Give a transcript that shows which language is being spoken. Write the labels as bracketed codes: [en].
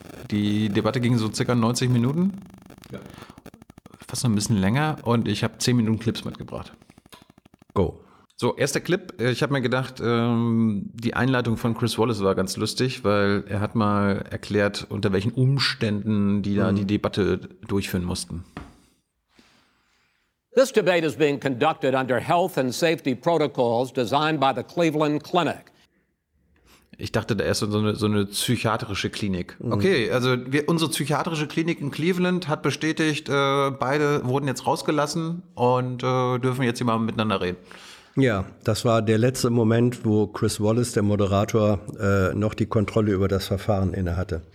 [de] Die Debatte ging so circa 90 Minuten. Ja. Fast noch ein bisschen länger und ich habe 10 Minuten Clips mitgebracht. Go. So, erster Clip. Ich habe mir gedacht, die Einleitung von Chris Wallace war ganz lustig, weil er hat mal erklärt, unter welchen Umständen die da die Debatte durchführen mussten. [en] This debate is being conducted under health and safety protocols designed by the Cleveland Clinic. [de] Ich dachte da erst so eine psychiatrische Klinik. Okay, also unsere psychiatrische Klinik in Cleveland hat bestätigt, beide wurden jetzt rausgelassen und dürfen jetzt hier mal miteinander reden. Ja, das war der letzte Moment, wo Chris Wallace, der Moderator, noch die Kontrolle über das Verfahren innehatte.